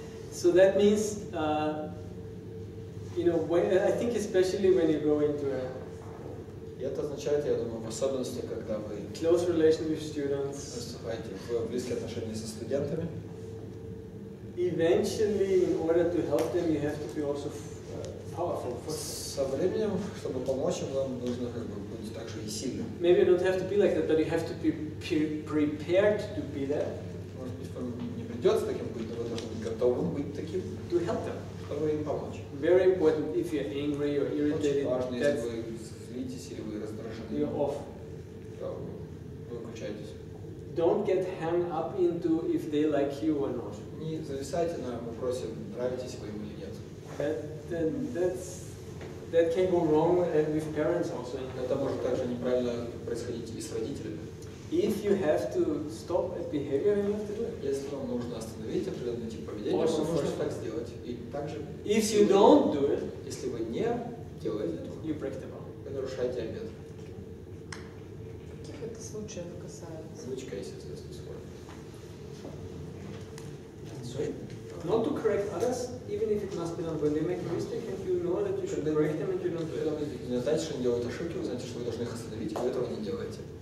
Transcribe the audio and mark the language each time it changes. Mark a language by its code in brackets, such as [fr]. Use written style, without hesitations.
[en] So that means, you know, when, I think especially when you go into a. [ru] И это означает, я думаю, в особенности, когда вы. [en] Close relation with students. [ru] Вступаете в близкие отношения со студентами. [en] Eventually, in order to help them, you have to be also powerful. [ru] Со временем, чтобы помочь им, вам нужно как бы быть также и сильным. [en] Maybe you don't have to be like that, but you have to be prepared to be that. [ru] Может быть, вам не придется таким быть, но вы должны быть готовым быть таким. [en] To help them. [ru] Чтобы им помочь. [en] Very important if you're angry or irritated. [ru] Очень важно, если вы злитесь или вы раздражены. [en] You're off. [ru] Да, вы выключаетесь. [en] Don't get hung up into if they like you or not. [ru] Не зависайте на вопросе, нравитесь вы им или нет. [en] That can go wrong and with parents also. [ru] Это может также неправильно происходить и с родителями. [en] If you have to stop a behavior, you have to do it. [ru] Если вам нужно остановить определенный тип поведения, вам нужно так сделать. И также. [en] If you don't do it, [ru] если вы не делаете это, [en] you break the law. [ru] Вы нарушаете обет. Каких это случаев касается? [en] Which cases does this work? Not to correct others, even if it must be done. When they make a mistake, and you know that you should correct them, and you don't do it. [ru] Не знаете, что они делают ошибки, вы знаете, что вы должны их остановить, вы этого не делаете.